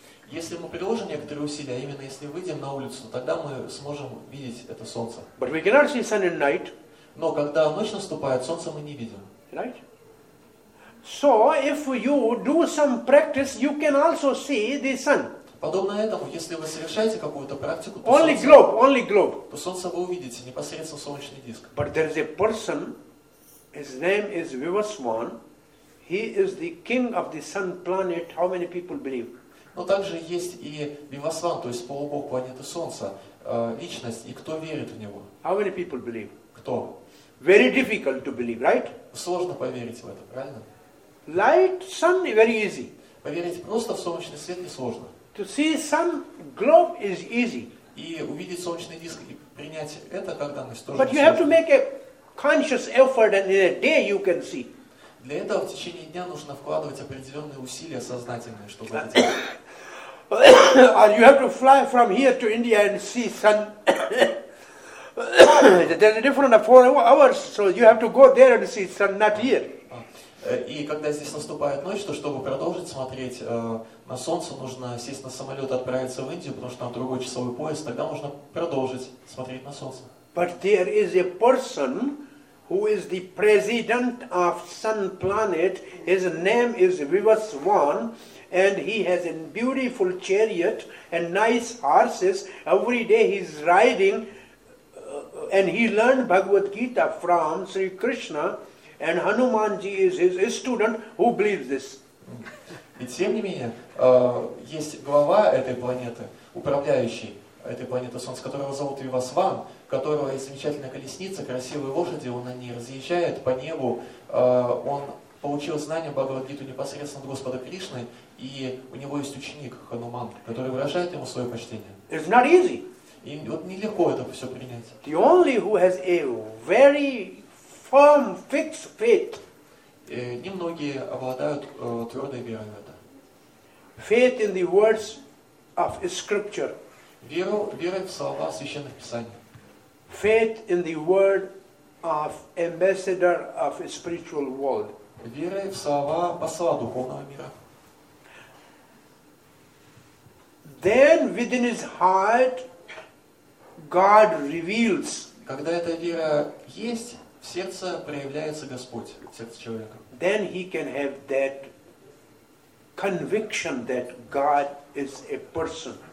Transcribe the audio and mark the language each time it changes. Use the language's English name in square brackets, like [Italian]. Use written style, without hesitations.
[Russian] Если мы приложим некоторые усилия, именно если выйдем на улицу, тогда мы сможем видеть это солнце. [English] But we cannot see sun at night. [Russian] Но когда ночь наступает, солнце мы не видим. [English] Right? So if you do some practice, you can also see the sun. [Russian] Подобно этому, если вы совершаете какую-то практику, то [English] only [Russian] солнце, [English] globe, only globe. [Russian] То солнце вы увидите непосредственно солнечный диск. [English] But there is a person, his name is Vivaswan. He is the king of the sun planet. How many people believe? [Russian] Но также есть и Вивасван, то есть полубог планеты Солнца, личность, и кто верит в него? [English] How many people believe? [Russian] Кто? [English] Very difficult to believe, right? [Russian] Сложно поверить в это, правильно? [English] Light, sun, very easy. [Russian] Поверить просто в солнечный свет несложно. [English] To see sun, globe is easy. [Russian] И увидеть солнечный диск и принять это как данность тоже [English] But [Russian] несложно. [English] You have to make a conscious effort and in a day you can see. [Russian] Для этого в течение дня нужно вкладывать определенные усилия сознательные, чтобы это делать. [English] And you have to fly from here to India and see sun. There's a difference of 4 hours, so you have to go there and see sun, not here. [Russian] И когда здесь наступает ночь, то чтобы продолжить смотреть на солнце, нужно сесть на самолет и отправиться в Индию, потому что там другой часовой пояс, тогда можно продолжить смотреть на солнце. [English] But there is a person who is the president of Sun Planet. His name is Vivaswan, and he has a beautiful chariot and nice horses. Every day he is riding, and he learned Bhagavad Gita from Sri Krishna, and Hanumanji is his student. Who believes this? [Russian] И тем не менее, есть глава этой планеты, управляющий этой планеты Солнца, которого зовут Вивасван, которого есть замечательная колесница, красивые лошади, он на ней разъезжает по небу. Он получил знание Бхагавад-гиту непосредственно от Господа Кришны, и у него есть ученик Хануман, который выражает ему свое почтение. [English] It's not easy. [Russian] И вот нелегко это все принять. [English] The only who has a very firm, fixed faith. [Russian] Немногие обладают твердой верой в это. [English] Faith in the words of scripture. [Russian] Вера в слова священных писаний. [English] Faith in the word of ambassador of a spiritual world. [Russian] Вера в слова посла духовного мира. [English] Then within his heart, God reveals. [Russian] Когда эта вера есть, в сердце проявляется Господь, в сердце человека. [English] Then he can have that conviction that God is a person.